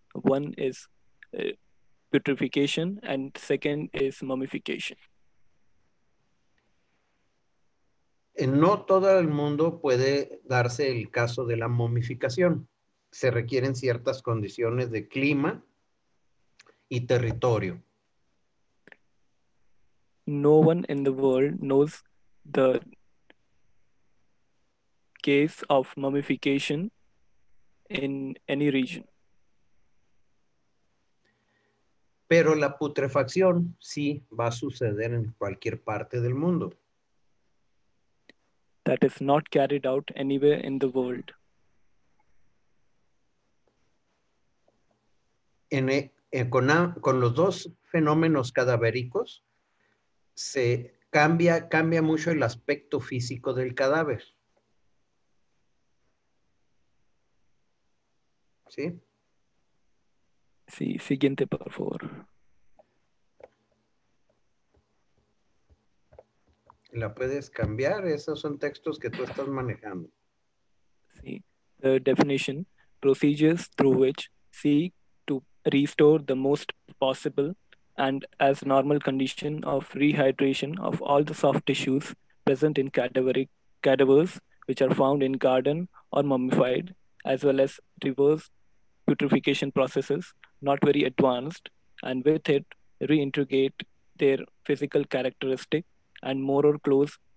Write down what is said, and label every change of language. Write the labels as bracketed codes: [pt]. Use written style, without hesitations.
[en] One is putrefaction and second is mummification. [es] No todo el mundo puede darse el caso de la momificación. Se requieren ciertas condiciones de clima y territorio. [en] No one in the world knows the case of mummification in any region. [es] Pero la putrefacción sí va a suceder en cualquier parte del mundo. [en] That is not carried out anywhere in the world. [es] Con los dos fenómenos cadavéricos, se cambia mucho el aspecto físico del cadáver. ¿Sí? Sí, siguiente, por favor. La puedes cambiar, esos son textos que tú estás manejando. [en] Sí, the definition, procedures through which seek to restore the most possible and as normal condition of rehydration of all the soft tissues present in cadavers which are found in garden or mummified, as well as reverse putrefaction processes, not very advanced, and with it reintegrate their physical characteristic and more or close